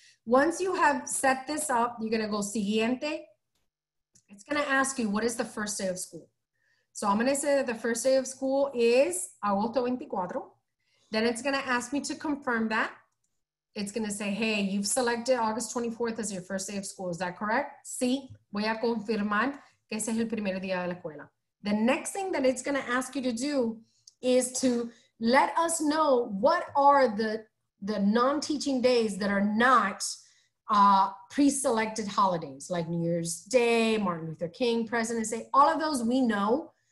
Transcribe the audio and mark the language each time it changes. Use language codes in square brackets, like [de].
[en] Once you have set this up, you're going to go siguiente. It's going to ask you, what is the first day of school? So I'm going to say that the first day of school is agosto 24. Then it's going to ask me to confirm that. It's going to say, hey, you've selected August 24th as your first day of school. Is that correct? [es] Sí, voy a confirmar que ese es el primer día de la escuela. [en] The next thing that it's going to ask you to do is to let us know what are the non-teaching days that are not pre-selected holidays, like New Year's Day, Martin Luther King, President's Day, all of those we know.